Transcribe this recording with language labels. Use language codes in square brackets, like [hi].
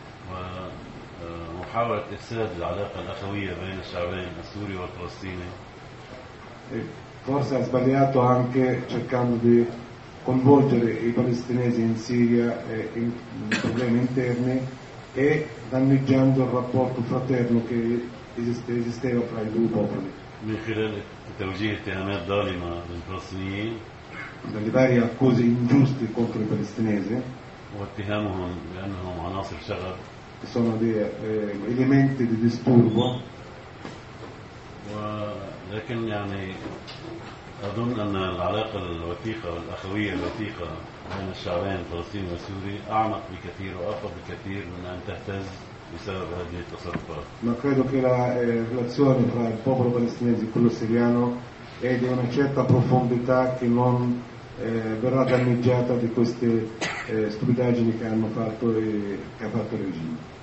[ar] ومحاولة إفساد العلاقة الأخوية بين الشعبين السوري والفلسطيني. [it] Forse ha sbagliato anche cercando di coinvolgere i palestinesi in Siria e in problemi interni e danneggiando il rapporto fraterno che esisteva fra i due popoli. [ar] من خلال توجيه اتهامات ظالمة للفلسطينيين. [it] Dalle varie accuse ingiuste contro i palestinesi. [ar] واتهامهم بأنهم عناصر شغب. [it] Sono dei elementi di disturbo. [ar] لكن يعني أظن أن العلاقة الوثيقة والأخوية الوثيقة بين الشعبين الفلسطيني والسوري أعمق بكثير وأقوى بكثير من أن تهتز بسبب هذه التصرفات. [it] Ma credo che la relazione tra il popolo palestinese e quello siriano è di una certa profondità che non verrà danneggiata di queste stupidaggini che hanno fatto e che ha fatto il regime.